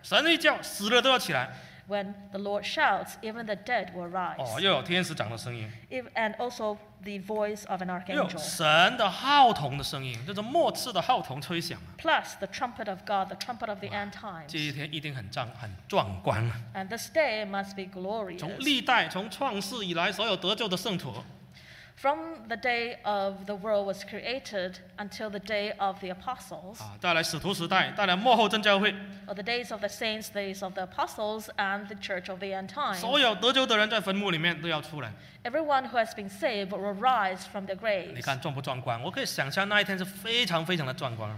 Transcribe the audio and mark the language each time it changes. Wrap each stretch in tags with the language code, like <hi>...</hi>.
<zh>神一叫，死了都要起来。</zh> <en>When the Lord shouts, even the dead will rise.</en> <zh>哦，又有天使长的声音。</zh> <en>And also the voice of an archangel.</en> <zh>又有神的号筒的声音，就是末次的号筒吹响。</zh> <en>Plus the trumpet of God, the trumpet of the end times.</en> <zh>这一天一定很壮观。</zh> <en>And this day must be glorious.</en> <zh>从历代，从创世以来，所有得救的圣徒。</zh> <en>From the day of the world was created until the day of the apostles,</en> <zh>啊，带来使徒时代，带来末后真教会。</zh> <en>Or the days of the saints, days of the apostles, and the church of the end times.</en> <zh>所有得救的人在坟墓里面都要出来。</zh> <en>Everyone who has been saved will rise from their graves.</en> <zh>你看壮不壮观？我可以想象那一天是非常非常的壮观。</zh>